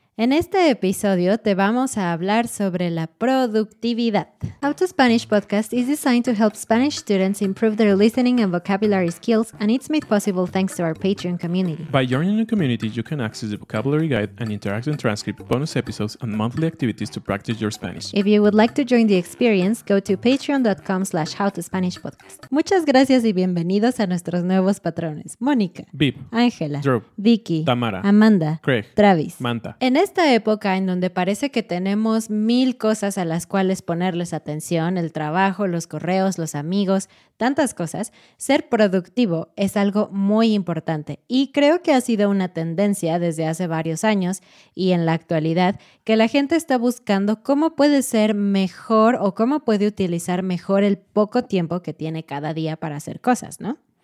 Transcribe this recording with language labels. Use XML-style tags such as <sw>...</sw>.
<es>En este episodio te vamos a hablar sobre la productividad.</es> <en>How to Spanish Podcast is designed to help Spanish students improve their listening and vocabulary skills, and it's made possible thanks to our Patreon community. By joining the community, you can access the vocabulary guide, an interactive transcript, bonus episodes, and monthly activities to practice your Spanish. If you would like to join the experience, go to patreon.com/howtospanishpodcast.</en> <es>Muchas gracias y bienvenidos a nuestros nuevos patrones. Mónica, Bib, Ángela, Drew, Vicky, Tamara, Amanda, Craig, Travis, Manta. En esta época en donde parece que tenemos mil cosas a las cuales ponerles atención, el trabajo, los correos, los amigos, tantas cosas, ser productivo es algo muy importante y creo que ha sido una tendencia desde hace varios años y en la actualidad que la gente está buscando cómo puede ser mejor o cómo puede utilizar mejor el poco tiempo que tiene cada día para hacer cosas, ¿no?</es>